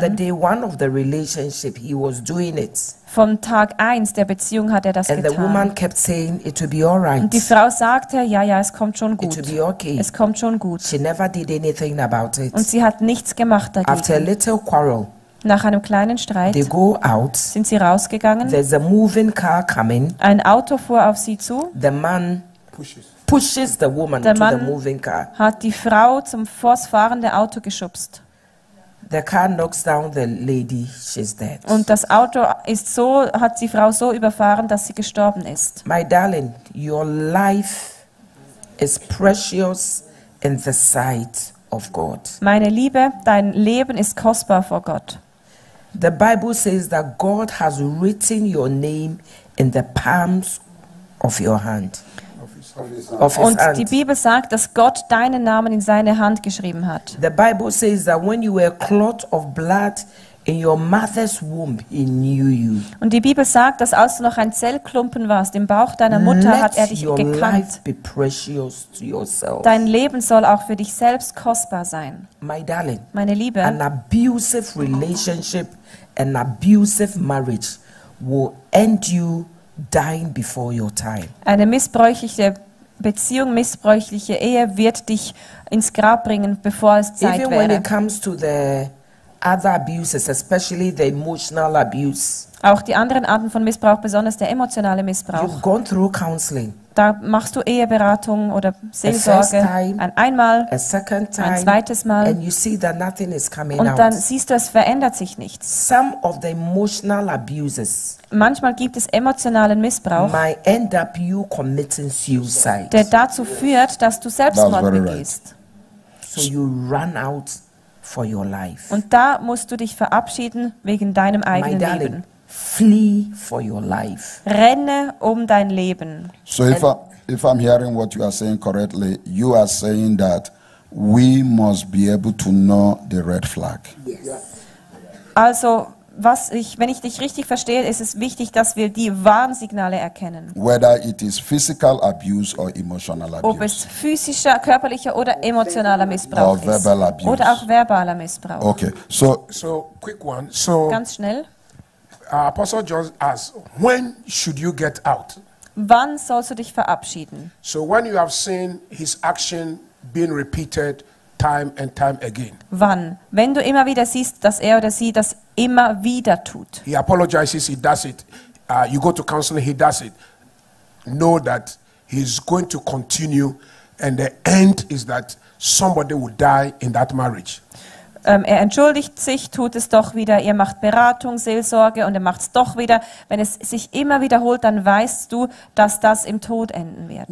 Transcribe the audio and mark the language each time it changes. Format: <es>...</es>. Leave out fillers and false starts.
<en>From the day one of the relationship, he was doing it.</en> <de>Von Tag 1 der Beziehung hat er das</de> <en>and</en> <de>getan.</de> <en>The woman kept saying, it will be all right.</en> <de>Und die Frau sagte, ja, es kommt schon gut.</de> <en>It will be okay.</en> <de>Es kommt schon gut.</de> <en>She never did anything about it.</en> <de>Und sie hat nichts gemacht dagegen.</de> <en>After a little quarrel,</en> <de>nach einem kleinen Streit,</de> <en>they go out,</en> <de>sind sie rausgegangen.</de> <en>There's a moving car coming.</en> <de>Ein Auto fuhr auf sie zu.</de> <en>The man pushes the woman</en> <de>der Mann</de> <en>to the moving car.</en> <de>Hat die Frau zum vorfahrende Auto geschubst.</de> <en>The car knocks down the lady, she's dead.</en> <de>Und das Auto hat die Frau so überfahren, dass sie gestorben ist.</de> <en>My darling, your life is precious in the sight of God.</en> <de>Meine Liebe, dein Leben ist kostbar vor Gott.</de> <en>The Bible says that God has written your name in the palms of your hand.</en> <de>Und die Bibel sagt, dass Gott deinen Namen in seine Hand geschrieben hat.</de> <en>The Bible says that when you were clot of blood in your mother's womb, he knew you.</en> <de>Und die Bibel sagt, dass als du noch ein Zellklumpen warst im Bauch deiner Mutter,</de> <en>let</en> <de>hat er dich</de> <en>your</en> <de>gekannt.</de> <en>Life be precious to yourself.</en> <de>Dein Leben soll auch für dich selbst kostbar sein.</de> <en>My darling,</en> <de>meine Liebe,</de> <en>an abusive relationship, an abusive marriage will end you dying before your time.</en> <de>Eine missbräuchliche Beziehung, missbräuchliche Ehe wird dich ins Grab bringen, bevor es Zeit</de> <en>Even</en> <de>wäre.</de> <en>When it comes to the other abuses, especially the emotional abuse.</en> <de>Auch die anderen Arten von Missbrauch, besonders der emotionale Missbrauch.</de> <en>You've gone through counseling.</en> <de>Da machst du Eheberatung oder Seelsorge. Einmal,</de> <en>a second time,</en> <de>ein zweites Mal.</de> <en>And you see that nothing is coming</en> <de>und dann</de> <en>out.</en> <de>Siehst du, es verändert sich nichts.</de> <en>Some of the emotional abuses.</en> <de>Manchmal gibt es emotionalen Missbrauch,</de> <en>might end up you committing suicide.</en> <de>Der dazu führt, dass du Selbstmord begehst.</de> <en>So you run out for your life.</en> <de>Und da musst du dich verabschieden wegen deinem eigenen Leben.</de> <en>Flee for your life.</en> <de>Renne um dein Leben.</de> <en>So if I'm hearing what you are saying correctly, you are saying that we must be able to know the red flag. Yes.</en> <de>Also, was ich, wenn ich dich richtig verstehe, ist es wichtig, dass wir die Warnsignale erkennen.</de> <en>Whether it is physical abuse or emotional abuse.</en> <de>Ob es physischer, körperlicher oder emotionaler Missbrauch</de> <en>or verbal abuse.</en> <de>Ist. Oder auch verbaler Missbrauch.</de> <en>Okay, so quick one. So,</en> <de>ganz schnell.</de> <en>Apostle John asks, when should you get out?</en> <de>Wann sollst du dich verabschieden?</de> <en>So when you have seen his action being repeated time and time again.</en> <de>Wann? Wenn du immer wieder siehst, dass er oder sie das immer wieder tut.</de> <en>He apologizes, he does it. You go to counseling, he does it. Know that he's going to continue and the end is that somebody will die in that marriage.</en> <de>Er entschuldigt sich, tut es doch wieder, er macht Beratung, Seelsorge und er macht es doch wieder. Wenn es sich immer wiederholt, dann weißt du, dass das im Tod enden wird.</de>